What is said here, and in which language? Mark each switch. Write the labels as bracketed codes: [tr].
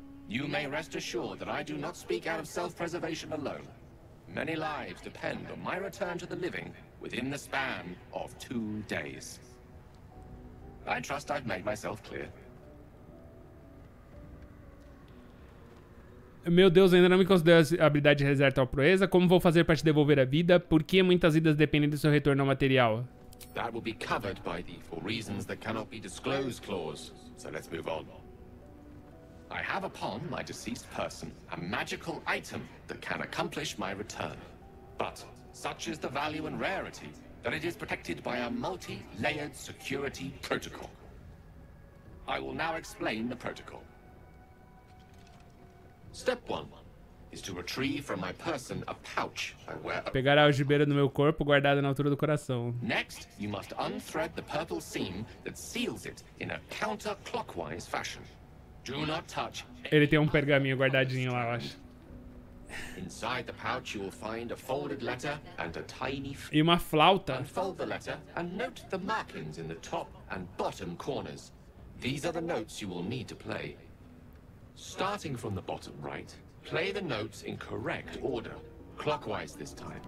[en] You may rest assured that I do not speak out of self-preservation alone. Many lives depend on my return to the living within the span of 2 days. I trust I've made myself clear. [pt] Meu Deus, ainda não me considero a habilidade de realizar tal proeza. Como vou fazer para te devolver a vida? Por que muitas vidas dependem do seu retorno ao material? [en] That will be covered by the for reasons that cannot be disclosed clause. So let's move on. I have upon my deceased person a magical item that can accomplish my return. But such is the value and rarity that it is protected by a multi-layered security protocol. I will now explain the protocol. Step 1 is to retrieve from my person a pouch I wear. [pt] Pegar a algibeira do meu corpo guardada na altura do coração. [en] Next, you must unthread the purple seam that seals it in a counterclockwise fashion. Do not touch. [pt] Ele tem um pergaminho guardadinho lá, eu acho. [en] Inside the pouch you will find a folded letter and a tiny [pt] E uma flauta. [en] Unfold the letter and note the markings in the top and bottom corners. These are the notes you will need to play. Starting from the bottom right, play the notes in correct order, clockwise this time.